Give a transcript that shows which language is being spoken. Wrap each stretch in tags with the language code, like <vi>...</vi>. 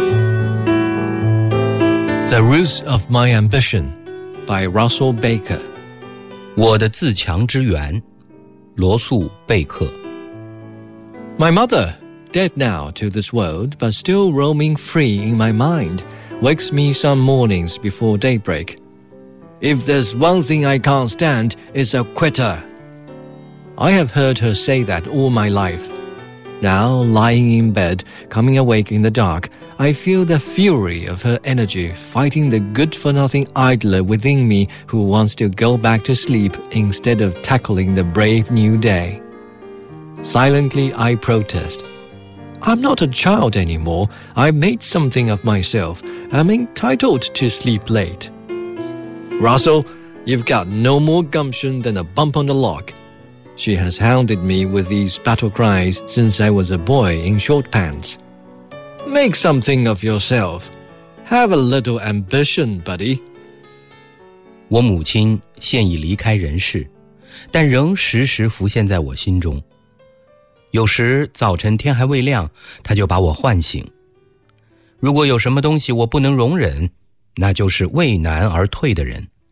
<en>The Roots of My Ambition by Russell Baker.</en> <zh>我的自强之源，罗素贝克。</zh> <en>My mother, dead now to this world, but still roaming free in my mind, wakes me some mornings before daybreak. If there's one thing I can't stand, it's a quitter. I have heard her say that all my life. Now, lying in bed, coming awake in the dark,I feel the fury of her energy fighting the good-for-nothing idler within me who wants to go back to sleep instead of tackling the brave new day. Silently, I protest. I'm not a child anymore. I made something of myself. I'm entitled to sleep late. Russell, you've got no more gumption than a bump on the log. She has hounded me with these battle cries since I was a boy in short pants. Make something of yourself. Have a little ambition, buddy.</en> <zh>我母亲现已离开人世，但仍时时浮现在我心中。有时早晨天还未亮，她就把我唤醒。如果有什么东西我不能容忍，那就是畏难而退的人。</zh>